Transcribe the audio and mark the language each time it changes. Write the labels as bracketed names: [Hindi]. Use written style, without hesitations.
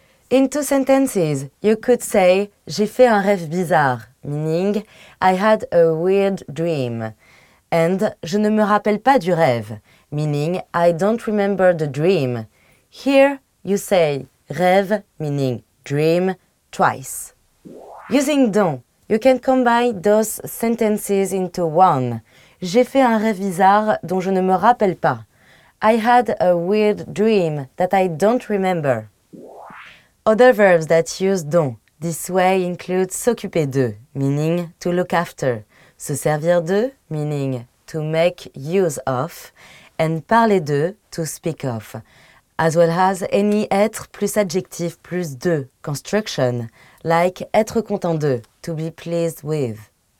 [English] In two sentences, you could say [French] j'ai fait un rêve bizarre, [English] meaning I had a weird dream, and [French] je ne me rappelle pas du rêve, [English] meaning I don't remember the dream. Here, you say rêve, meaning dream, twice. Using don, you can combine those sentences into one. [French] J'ai fait un rêve bizarre dont je ne me rappelle pas. [English] I had a weird dream that I don't remember. Other verbs that use don this way include s'occuper de, meaning to look after, se servir de, meaning to make use of, and parler de, to speak of, as well as any être plus adjectif plus de construction, like être content de, to be pleased with.